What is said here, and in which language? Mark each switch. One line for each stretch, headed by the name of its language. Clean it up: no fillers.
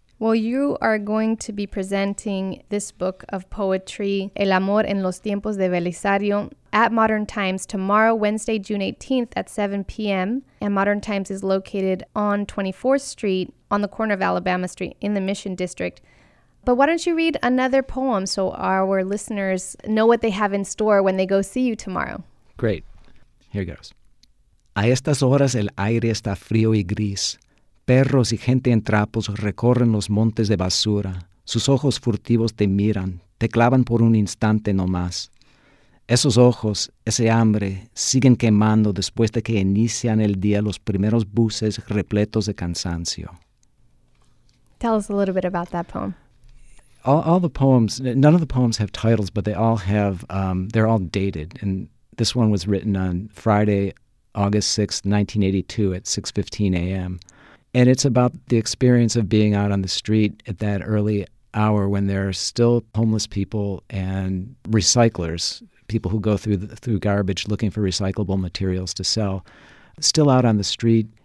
English: Well, you are going to be presenting this book of poetry, El Amor en los Tiempos de Belisario, at Modern Times tomorrow, Wednesday, June 18th at 7 p.m. And Modern Times is located on 24th Street on the corner of Alabama Street in the Mission District. But why don't you read another poem so our listeners know what they have in store when they go see you tomorrow? Great. Here goes.
Spanish: A estas horas el aire está frío y gris. Perros y gente en trapos recorren los montes de basura. Sus ojos furtivos te miran, te clavan por un instante no más. Esos ojos, ese hambre, siguen quemando después de que inician el día los primeros buses repletos de cansancio.
English: Tell us a little bit about that poem. All the poems, none of the poems have titles, but they all have, they're all dated. And this one was written on Friday, August 6th, 1982 at 6:15 a.m., and it's about the experience of being out on the street at that early hour when there are still homeless people and recyclers, people who go through garbage looking for recyclable materials to sell, still out on the street.